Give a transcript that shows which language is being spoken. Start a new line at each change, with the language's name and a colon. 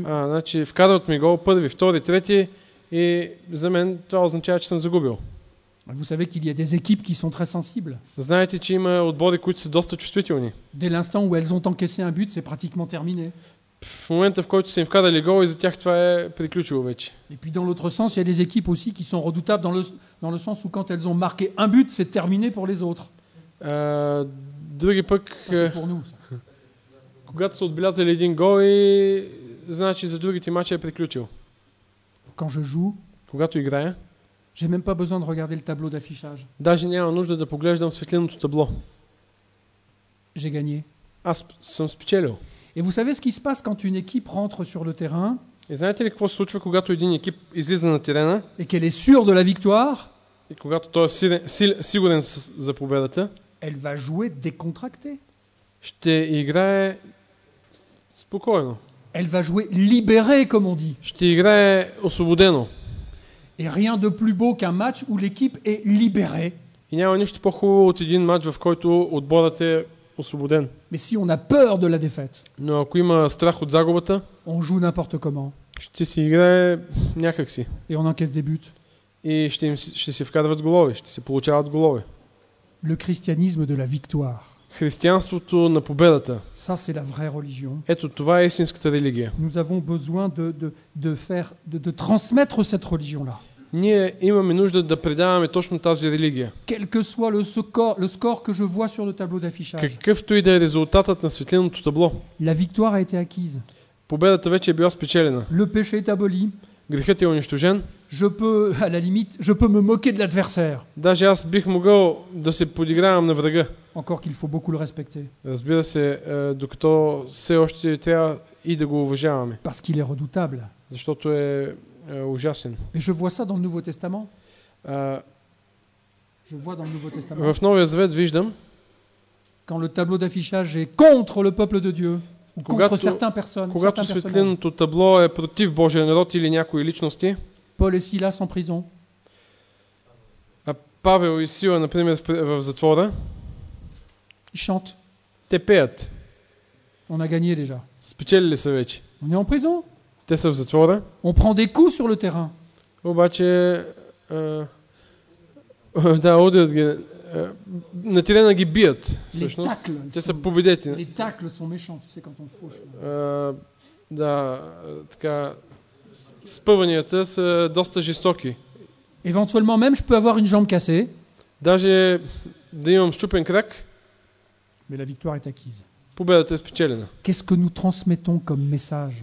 Bulgarian: Значи вкарват ми гол, първи, втори, трети и за мен това означава, че съм загубил.
French: Vous savez qu'il y a des équipes qui sont très sensibles.
Bulgarian: Знаете, че има отбори, които са доста чувствителни.
French: Dès l'instant où elles ont encaissé un but, c'est pratiquement terminé.
Bulgarian: В момента, в който са им вкарали гол, и за тях това е приключило вече.
French: Et puis dans l'autre sens, il y a des équipes aussi qui sont redoutables dans le sens où quand elles ont marqué un but, c'est terminé pour les autres.
Bulgarian: Други пък, когато са отбелязали един гол, и значи за другите мачове е приключил.
French: Quand je joue,
Bulgarian: когато играя,
French: j'ai même pas besoin de regarder le tableau d'affichage.
Bulgarian: Даже няма нужда да поглеждам светлиното табло.
French: J'ai gagné.
Bulgarian: Аз съм спечелил.
French: Et vous savez ce qui se passe quand une équipe rentre sur le terrain?
Bulgarian: Et знаете ли какво се случва, когато един екип излиза на терена?
French: Et qu'elle est sûre de la victoire?
Bulgarian: И когато той е сигурен за победата?
French: Elle va jouer décontractée.
Bulgarian: Ще играе спокойно.
French: Elle va jouer libérée, comme on dit.
Bulgarian: Ще играе освободено.
French: Et rien de plus beau qu'un match où l'équipe est libérée. Il n'y a rien de plus beau qu'un match où l'équipe est
Bulgarian: освободен.
French: Mais si on a peur de la défaite.
Bulgarian: Но ако има страх от загубата,
French: on joue n'importe comment.
Bulgarian: Ще си играе някакси.
French: Et on encaisse des buts.
Bulgarian: И ще си вкарват голове, ще си получават голове.
French: Le christianisme de la victoire.
Bulgarian: Християнството на победата.
French: Ça, c'est la vraie religion.
Bulgarian: Ето това е истинската религия.
French: Nous avons besoin de transmettre cette religion-là.
Bulgarian: Ние имаме нужда да предаваме точно тази религия.
French: Quel que soit le score que je vois sur le tableau d'affichage.
Bulgarian: Какъвто и да е резултатът на светлиното табло.
French: La victoire a été acquise.
Bulgarian: Победата вече е била спечелена.
French: Le péché est aboli.
Bulgarian: Грехът е унищожен.
French: Je peux, à la limite, je peux me moquer de l'adversaire.
Bulgarian: Даже аз бих могъл да се подигравам на врага.
French: Encore qu'il faut beaucoup le respecter.
Bulgarian: Разбира се, докато все още трябва и да го уважаваме.
French: Parce qu'il est redoutable.
Bulgarian: Защото е ужасен.
French: Mais je vois ça dans le Nouveau Testament. Je vois dans le Nouveau Testament.
Bulgarian: В Новия Завет виждам.
French: Quand le tableau d'affichage est contre le peuple de Dieu. Contre certaines personnes.
Bulgarian: Когато светлиното табло е против Божия народ или някои личности.
French: Paul et Silas en prison.
Bulgarian: Павел и Сила, например, в затвора.
French: Ils chantent.
Bulgarian: Те пеят.
French: On a gagné déjà.
Bulgarian: Спечелили са вече.
French: On est en prison.
Bulgarian: Те са в затвора.
French: On prend des coups sur le terrain.
Bulgarian: Обаче, да, удрят ги. На терена ги бият. Всъщност.
French: Les tacles.
Bulgarian: Те са победети.
French: Les tacles sont méchants, tu sais, quand on fauche.
Bulgarian: Да, така, спъванията са доста жестоки.
French: Éventuellement même, je peux avoir une jambe cassée.
Bulgarian: Даже да имам счупен крак.
French: Mais la victoire est acquise.
Bulgarian: Победата е спечелена.
French: Qu'est-ce que nous transmettons comme message?